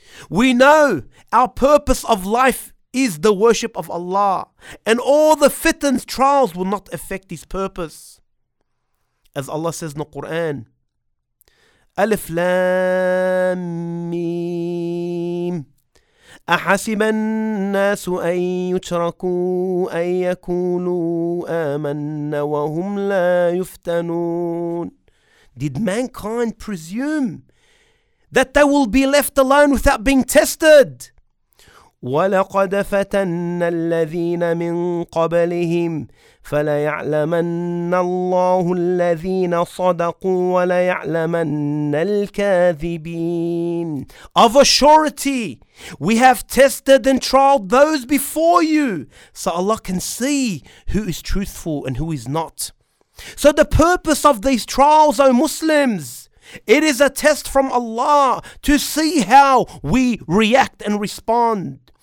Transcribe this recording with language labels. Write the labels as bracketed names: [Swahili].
[English] We know our purpose of life is the worship of Allah, and all the fitnas, trials will not affect this purpose. As Allah says in the Quran, Alif Lam Mim. [Arabic] أحسب الناس أن يتركوا أن يقولوا آمنا وهم لا يفتنون. [English] Did mankind presume that they will be left alone without being tested? [Arabic] ولقد فتن الذين من قبلهم فليعلمن الله الذين صدقوا وليعلمن الكاذبين. [English] Of a surety, we have tested and trialed those before you, so Allah can see who is truthful and who is not. So the purpose of these trials, O Muslims, it is a test from Allah to see how we react and respond.